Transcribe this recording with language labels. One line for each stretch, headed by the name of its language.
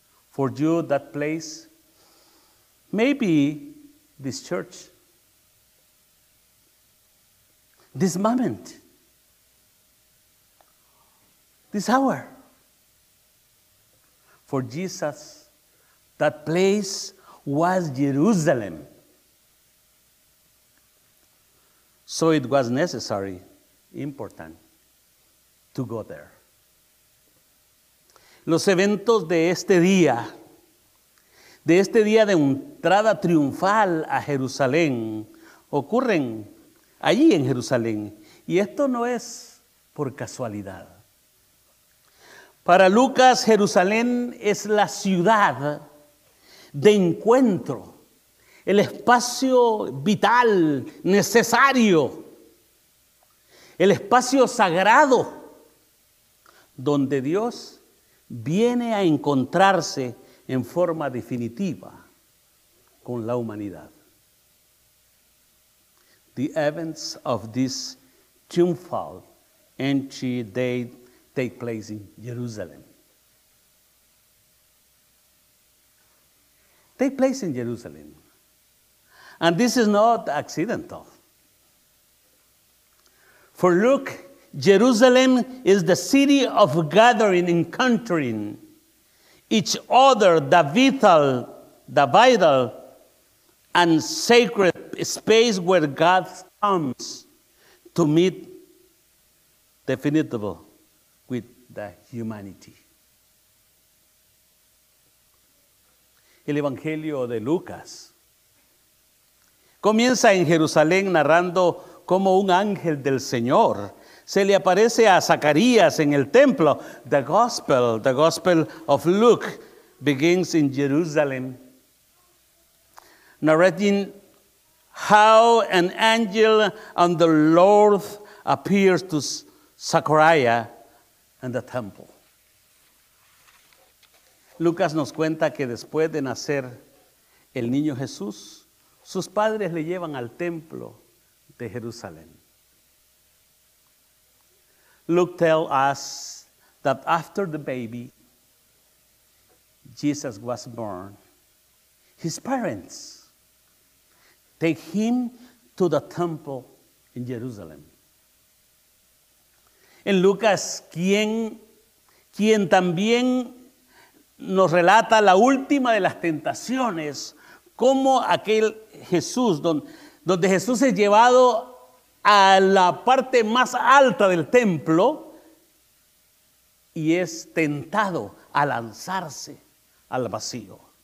English: For you, that place, maybe this church, this moment, this hour. For Jesus, that place was Jerusalem. So it was necessary, important, to go there.
Spanish: Los eventos de este día de entrada triunfal a Jerusalén, ocurren allí en Jerusalén. Y esto no es por casualidad. Para Lucas, Jerusalén es la ciudad de encuentro, el espacio vital, necesario, el espacio sagrado donde Dios viene a encontrarse en forma definitiva con la humanidad.
English: The events of this triumphal entry date take place in Jerusalem. Take place in Jerusalem. And this is not accidental. For Luke, Jerusalem is the city of gathering, encountering each other, the vital and sacred space where God comes to meet definitively with the humanity.
Spanish: El Evangelio de Lucas comienza en Jerusalén narrando cómo un ángel del Señor se le aparece a Zacarías en el templo.
English: The Gospel of Luke begins in Jerusalem, narrating how an angel of the Lord appears to Zechariah and the temple.
Spanish: Lucas nos cuenta que después de nacer el niño Jesús, sus padres le llevan al templo de Jerusalén.
English: Luke tells us that after the baby, Jesus was born, his parents take him to the temple in Jerusalem.
Spanish: En Lucas, quien también nos relata la última de las tentaciones, como aquel Jesús, donde Jesús es llevado a la parte más alta del templo y es tentado a lanzarse al vacío.